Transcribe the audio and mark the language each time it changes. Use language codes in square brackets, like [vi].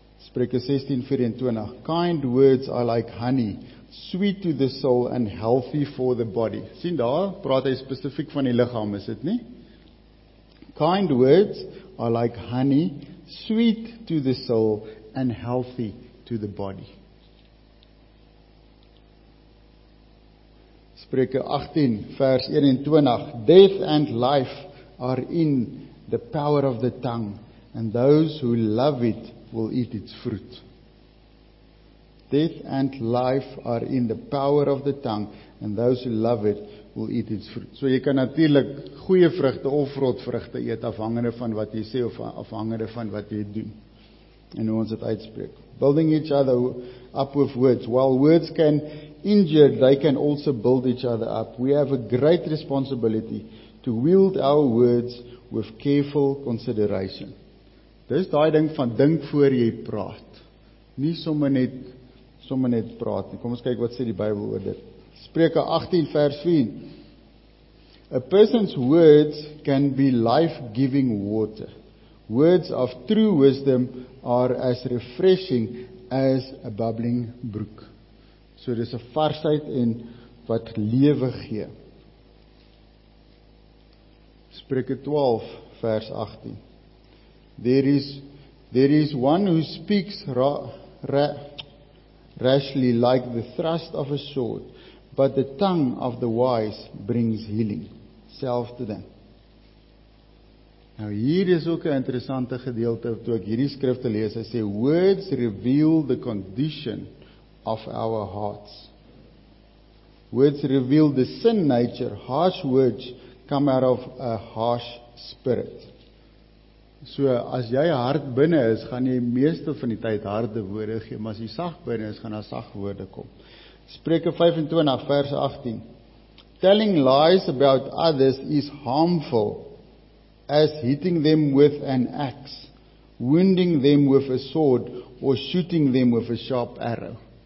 [en] Spreuke 16:24, "Kind words are like honey, sweet to the soul and healthy for the body." [af] Sien daar, praat hy spesifiek van die liggaam, is dit nie? [en] "Kind words are like honey, sweet to the soul and healthy to the body." Spreuke 18:21, "Death and life are in the power of the tongue, and those who love it will eat its fruit." Death and life are in the power of the tongue, and those who love it will eat its fruit. [af] So jy kan natuurlik goeie vrugte of rot vrugte eet, afhangende van wat jy sê of afhangende van wat jy doen. En hoe ons dit uitspreek. [en] "Building each other up with words. While words can injured, they can also build each other up. We have a great responsibility to wield our words with careful consideration. [af] Dis daai ding van dink voor jy praat. Nie sommer net praat nie. Kom ons kyk wat sê die Bybel oor dit. [en] Spreuke 18 vers 4. A person's words can be life-giving water. Words of true wisdom are as refreshing as a bubbling brook. [af] So dis 'n varsheid en wat lewe gee. Spreuke 12 vers 18. [en] There is one who speaks rashly like the thrust of a sword, but the tongue of the wise brings healing. [af] Selfde ding. Nou hier is ook 'n interessante gedeelte toe ek hierdie skrifte lees. Hy sê [en] words reveal the condition of our hearts. Words reveal the sin nature. Harsh words come out of a harsh spirit. [af] So as jy hard binne is, gaan jy meeste van die tyd harde woorde gee, maar as jy sag binne is, gaan daar sag woorde kom. Spreuke 25 vers 18. [en] Telling lies about others is harmful as hitting them with an axe, wounding them with a sword, or shooting them with a sharp arrow.